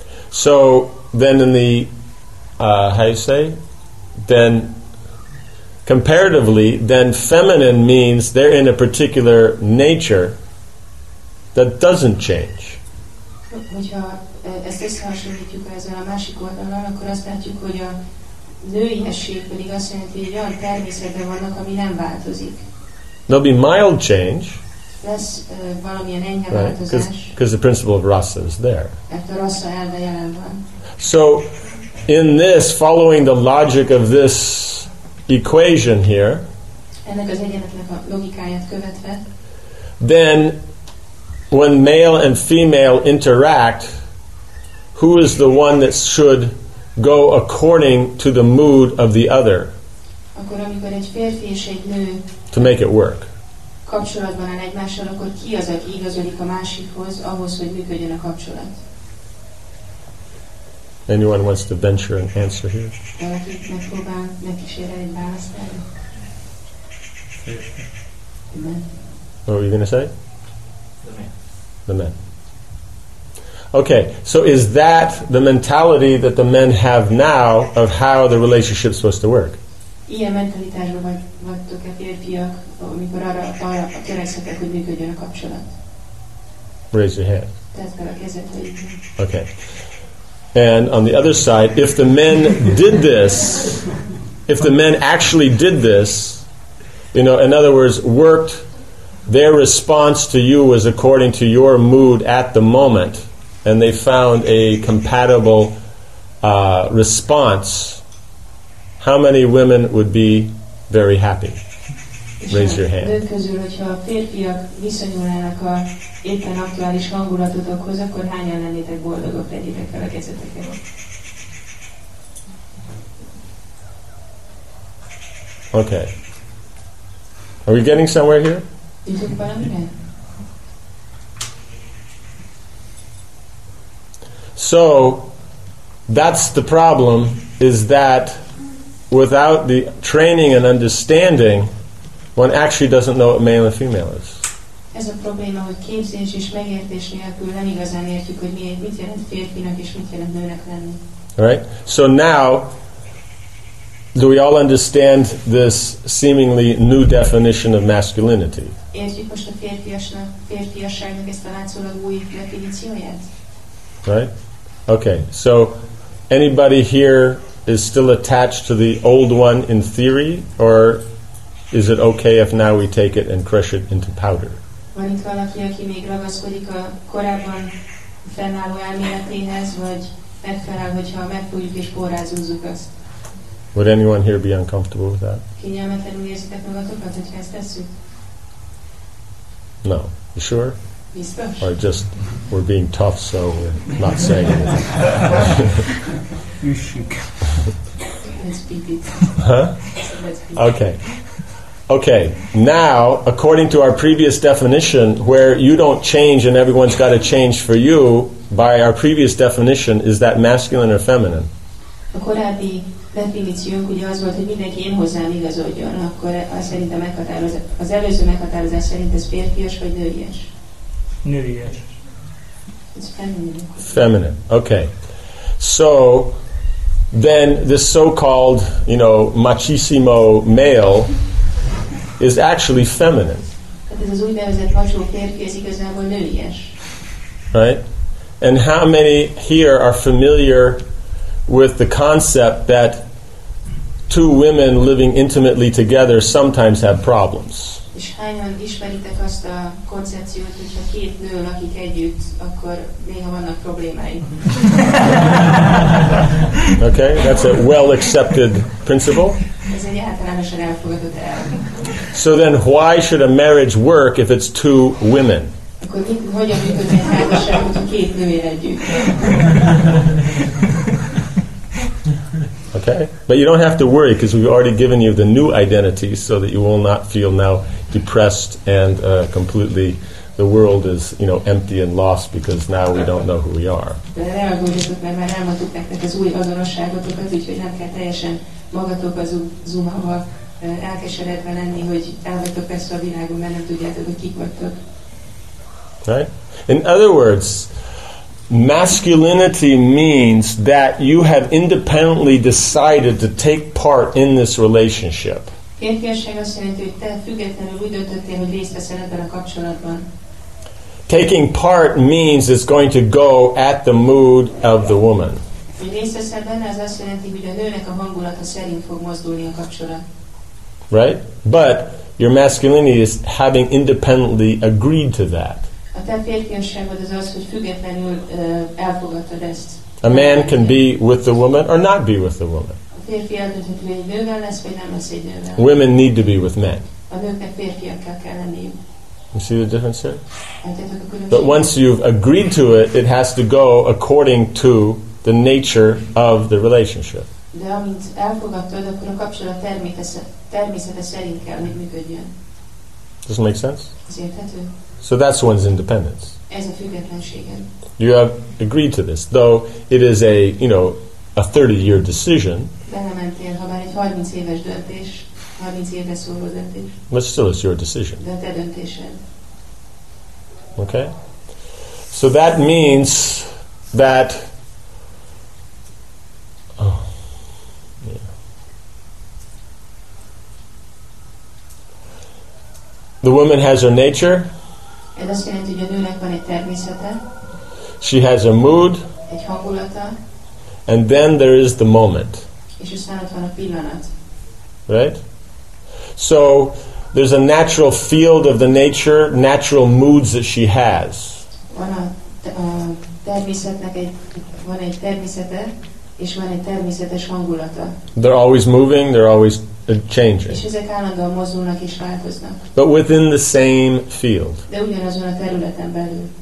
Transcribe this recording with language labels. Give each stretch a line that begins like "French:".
English: So then, in the how you say, then comparatively, then feminine means they're in a particular nature that doesn't change.
Hungarian: Hogyha ezt összehasonlítjuk ezzel a másik oldalon, akkor azt látjuk, hogy a nőiesség pedig azt jelenti, hogy olyan természetben vannak, ami nem változik.
English: There'll be mild change.
Hungarian: Lesz valamilyen enyhe változás.
English: Right? Because the principle of rasa is there.
Hungarian: Mert a rasa elve jelen van.
English: So, in this, following the logic of this equation here,
Hungarian: ennek az egyenletnek a logikáját követve,
English: then, when male and female interact, who is the one that should go according to the mood of the other
Hungarian: akkor, amikor egy férfi és egy nő
English: to make it work.
Hungarian: Kapcsolatban áll egymással, akkor ki az, aki igazodik a másikhoz, ahhoz, hogy működjön a kapcsolat?
English: Anyone wants to venture an answer here?
Hungarian: Valakit megpróbál megkísérel egy választ erre?
English: What were you going to say? The men. Okay, so is that the mentality that the men have now of how the relationship is supposed to work?
Hungarian: Ilyen mentalitásban vagytok-e férfiak, amikor arra törekszetek, hogy működjön a kapcsolat?
English: Raise your hand.
Hungarian: Tedd fel a kezed, hogy...
English: Okay. And on the other side, if the men did this, if the men actually did this, you know, in other words, worked, their response to you was according to your mood at the moment, and they found a compatible response, how many women would be very happy? Raise your hand.
Hungarian: Nők közül, hogyha a férfiak viszonyulnának a éppen aktuális hangulatotokhoz, akkor hányan lennétek boldogok, tegyétek fel a kezeteket?
English: Okay. Are we getting somewhere here?
Hungarian: Jutok valamire?
English: So, that's the problem, is that without the training and understanding, one actually doesn't know what male and female is.
Hungarian: Ez a probléma, hogy képzés és megértés nélkül nem igazán értjük, hogy mit jelent férfinak és mit jelent nőnek lenni.
English: Right? So now, Do we all understand this seemingly new definition of masculinity?
Hungarian: Értjük most a férfiasságnak ezt a látszólag új definícióját?
English: Right? Okay, so anybody here is still attached to the old one in theory, or is it okay if now we take it and crush it into powder?
Hungarian: Van itt valaki, aki még ragaszkodik a korábban fennálló elméletéhez, vagy megfelel, hogyha megfújjuk és porrázúzzuk azt?
English: Would anyone here be uncomfortable with that?
Hungarian: Kényelmetlenül érzitek magatokat, hogyha ezt tesszük?
English: No. You sure?
Hungarian: Biztos.
English: Or just we're being tough, so we're not saying anything. You shook. Let's beat it. Huh? Okay. Okay. Now, according to our previous definition, where you don't change and everyone's got to change for you, by our previous definition, is that masculine or feminine?
Hungarian: A korábbi definíciónk ugye az volt, hogy mindenki én hozzám igazodjon, akkor az szerint a meghatározás, az előző meghatározás szerint ez férfias vagy nőies? Nőies.
English: Feminine. Feminine. Okay. So then this so-called, you know, machissimo male is actually feminine.
Hungarian: Ez az úgynevezett macsó férfi, ez igazából nőies.
English: Right? And how many here are familiar with the concept that two women living intimately together sometimes have problems?
Hungarian: És hányan ismeritek azt a koncepciót, hogy ha két nő lakik együtt, akkor néha vannak problémáik?
English: Okay, that's a well accepted principle.
Hungarian: Ez egy általánosan elfogadott elv.
English: So then why should a marriage work if it's two women?
Hungarian: Akkor mit, hogyan működik egy házasság, hogy két nő él együtt?
English: Okay, but you don't have to worry because we've already given you the new identity, so that you will not feel now depressed and completely the world is, you know, empty and lost because now we don't know who we are.
Hungarian: De ne aggódjatok, mert már elmondtuk nektek az új azonosságotokat, úgyhogy nem kell teljesen magatok az zoomával elkeseredve lenni, hogy elvettek ezt a világon, mert nem tudjátok, hogy kik vagytok.
English: Right? In other words, masculinity means that you have independently decided to take part in this relationship.
Hungarian: Férfiasság azt jelenti, hogy te függetlenül úgy döntöttél, hogy részt veszel ebben a kapcsolatban.
English: Taking part means it's going to go at the mood of the woman.
Hungarian: Hogy részt veszel benne, az azt jelenti, hogy a nőnek a hangulata szerint fog mozdulni a kapcsolat.
English: Right? But your masculinity is having independently agreed to that.
Hungarian: A te férfiasságod az az, hogy függetlenül elfogadtad ezt.
English: A man can be with the woman or not be with the woman.
Hungarian: A férfi eldönthet, hogy egy nővel lesz, vagy nem lesz egy nővel.
English: Women need to be with men.
Hungarian: A nőknek férfiakkal kell lenniük.
English: You see the difference here? But once you've agreed to it, it has to go according to the nature of the relationship.
Hungarian: De amint elfogadtad, akkor a kapcsolat természete szerint kell, hogy működjön.
English: Does it make sense?
Hungarian: Ez érthető?
English: So that's one's independence.
Hungarian: Ez a függetlenségen.
English: You have agreed to this, though it is a, you know, a 30-year decision.
Hungarian: Belementél, ha bár egy 30 éves döntés, 30 éves szóló döntés.
English: But still it's your decision.
Hungarian: De a te döntésed.
English: Okay? So that means that... The woman has her nature.
Hungarian: Ez azt jelenti, hogy a nőnek van egy természete.
English: She has a mood.
Hungarian: Egy hangulata.
English: And then there is the moment.
Hungarian: És aztán ott van a pillanat.
English: Right? So, there's a natural field of the nature, natural moods that she has.
Hungarian: Van a természetnek egy, van egy természete, és van egy természetes hangulata.
English: They're always moving, they're always changing.
Hungarian: És ezek állandóan mozdulnak és változnak.
English: But within the same field.
Hungarian: De ugyanazon a területen belül.